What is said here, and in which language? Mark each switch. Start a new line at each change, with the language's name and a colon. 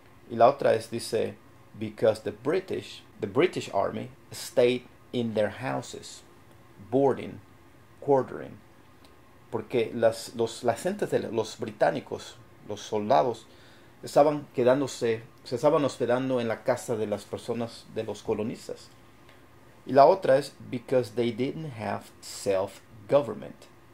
Spanish: Y la otra es, dice,
English: because the British Army stayed in their houses, boarding, quartering.
Spanish: Porque las gentes de los británicos, los soldados, estaban quedándose, se estaban hospedando en la casa de las personas, de los colonistas. Y la otra es,
English: because they didn't have self-government.